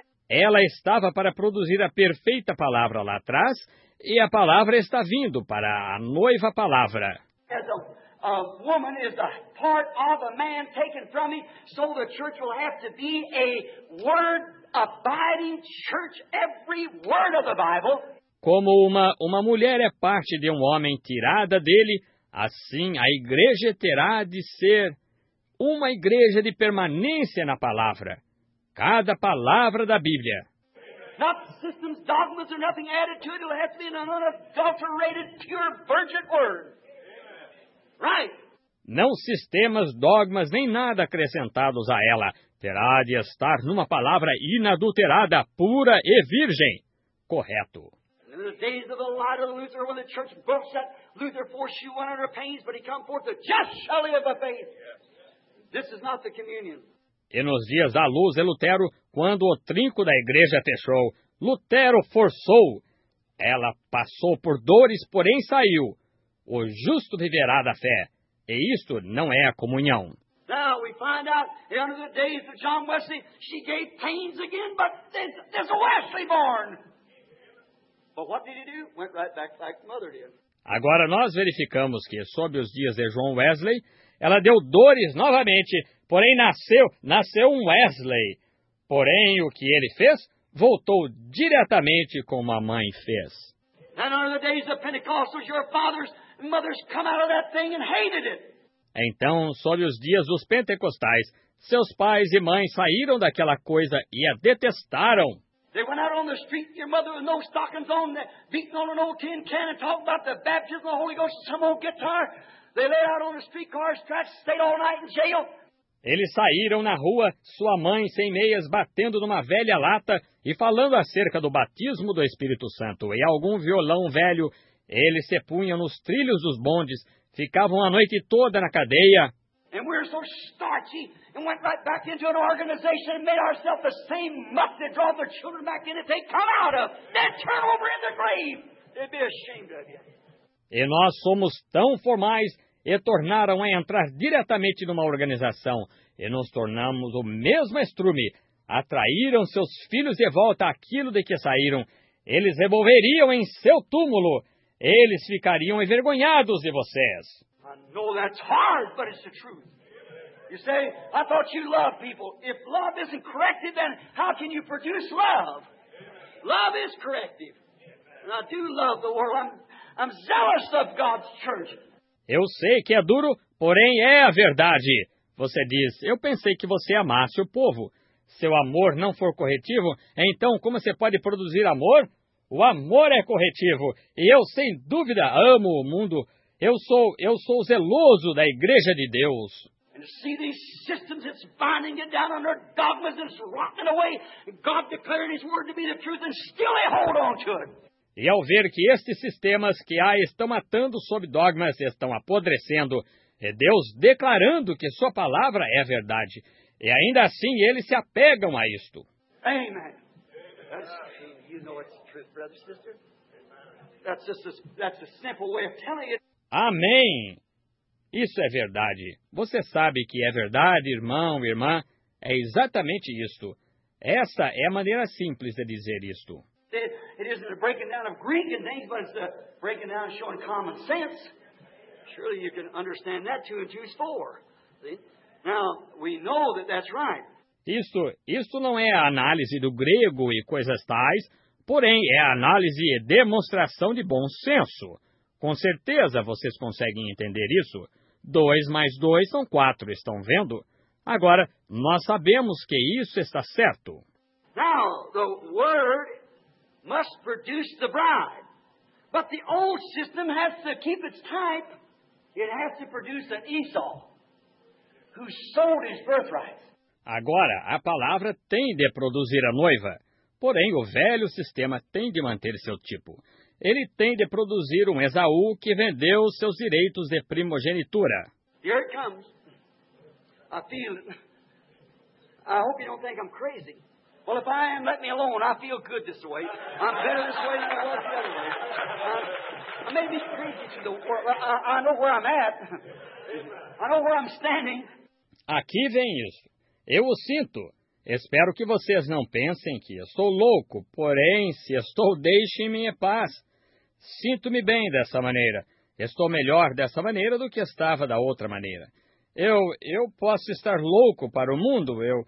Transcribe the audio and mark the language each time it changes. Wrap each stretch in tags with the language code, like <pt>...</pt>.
<pt>Ela estava para produzir a perfeita palavra lá atrás, e a palavra está vindo para a noiva palavra.</pt> <en>A woman is a part of a man taken from him, so the church will have to be a word abiding church, every word of the Bible.</en> <pt>Como uma mulher é parte de um homem tirada dele, assim a igreja terá de ser uma igreja de permanência na palavra, cada palavra da Bíblia.</pt> <en>Not systems, dogmas, or nothing added to it, it has to be an unadulterated, pure, virgin word. Right.</en> <pt>Não sistemas, dogmas, nem nada acrescentados a ela. Terá de estar numa palavra inadulterada, pura e virgem. Correto.</pt> <en>In the days of the light of Luther, when the church broke that, Luther forced you one of her pains, but he come forth the just shelly of the faith. This is not the communion.</en> <pt>E nos dias da luz de Lutero, quando o trinco da igreja fechou, Lutero forçou. Ela passou por dores, porém saiu. O justo viverá da fé, e isto não é a comunhão.</pt> <en>Now we find out in the days of John Wesley, she gave pains again, but there's a Wesley born. But what did he do? Went right back like mother did.</en> <pt>Agora nós verificamos que sob os dias de John Wesley, ela deu dores novamente, porém nasceu um Wesley. Porém o que ele fez, voltou diretamente como a mãe fez.</pt> <en>And under the days of Pentecost, your fathers mothers come out of that thing and hated it.</en> <pt>Então, sob os dias dos pentecostais, seus pais e mães saíram daquela coisa e a detestaram.</pt> <en>They went out on the street, your mother with no stockings on, beating on an old tin can and talking about the baptism of the Holy Ghost and some old guitar. They lay out on the streetcar tracks, stayed all night in jail.</en> <pt>Eles saíram na rua, sua mãe sem meias batendo numa velha lata e falando acerca do batismo do Espírito Santo e algum violão velho. Eles se punham nos trilhos dos bondes, ficavam a noite toda na cadeia.</pt> <en>And we were so starchy and went right back into an organization and made ourselves the same muck to draw their children back in if they come out of. Then turn over in the grave. They'd be ashamed of you.</en> <pt>E nós somos tão formais e tornaram a entrar diretamente numa organização. E nos tornamos o mesmo estrume. Atraíram seus filhos de volta àquilo de que saíram. Eles revolveriam em seu túmulo. Eles ficariam envergonhados de vocês.</pt> <en>I know that's hard, but it's the truth. You say, I thought you loved people. If love isn't corrective, then how can you produce love? Love is corrective. And I do love the world. I'm zealous of God's church.</en> <pt>Eu sei que é duro, porém é a verdade. Você diz, eu pensei que você amasse o povo. Seu amor não for corretivo, então como você pode produzir amor? O amor é corretivo. E eu, sem dúvida, amo o mundo. Eu sou zeloso da Igreja de Deus.</pt> <en>And see these systems, it's binding you down on their dogmas, it's rotting away. God declared his word to be the truth, and still they hold on to it.</en> <pt>E ao ver que estes sistemas que há estão matando sob dogmas e estão apodrecendo, é Deus declarando que sua palavra é a verdade. E ainda assim eles se apegam a isto. Amen.</pt> <en>That's, you know it's true, brother, sister. That's a simple way of telling it.</en> <pt>Amém. Isso é verdade. Você sabe que é verdade, irmão, irmã. É exatamente isto. Essa é a maneira simples de dizer isto.</pt> <en>It isn't a breaking down of Greek and things, but it's a breaking down of showing common sense. Surely you can understand that 2 and 2 is 4. See? Now, we know that that's right.</en> <pt>Isto não é a análise do grego e coisas tais, porém é a análise e demonstração de bom senso. Com certeza vocês conseguem entender isso. 2 mais 2 são 4, estão vendo? Agora, nós sabemos que isso está certo.</pt> <en>Now, the word must produce the bride. But the old system has to keep its type. It has to produce an Esau, who sold his birthright.</en> <pt>Agora, a palavra tem de produzir a noiva. Porém, o velho sistema tem de manter seu tipo. Ele tem de produzir um Esaú que vendeu seus direitos de primogenitura.</pt> <en>Here it comes. I feel it. I hope you don't think I'm crazy. Well, if I am, let me alone. I feel good this way. I'm better this way than I was the other way. I may be crazy to the world. I know where I'm at. I know where I'm standing.</en> <pt>Aqui vem isso. Eu o sinto. Espero que vocês não pensem que eu sou louco, porém, se estou, deixem-me em paz. Sinto-me bem dessa maneira. Estou melhor dessa maneira do que estava da outra maneira. Eu posso estar louco para o mundo.</pt>